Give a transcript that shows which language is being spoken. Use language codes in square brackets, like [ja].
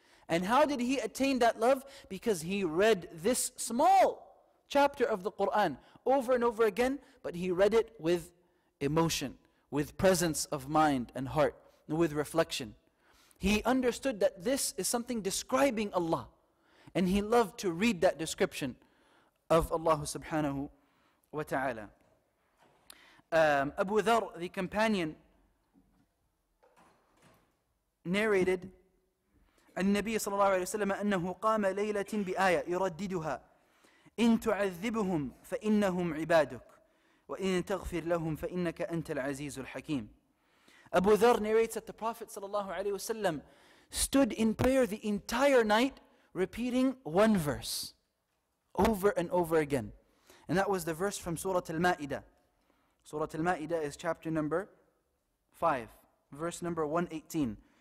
[en] And how did he attain that love? Because he read this small chapter of the Qur'an over and over again, but he read it with emotion, with presence of mind and heart, with reflection. He understood that this is something describing Allah. And he loved to read that description of Allah subhanahu wa ta'ala. [ar] Abu Dharr, [en] the companion, narrated [ar] النبي صلى الله عليه وسلم أنه قام ليلة بآية يرددها إن تعذبهم فإنهم عبادك وإن تغفر لهم فإنك أنت العزيز الحكيم. [en] Abu Dharr narrates that the Prophet صلى الله عليه وسلم stood in prayer the entire night repeating one verse over and over again. And that was the verse from Surah Al-Ma'idah. Surah Al-Ma'idah is chapter number 5, verse number 118.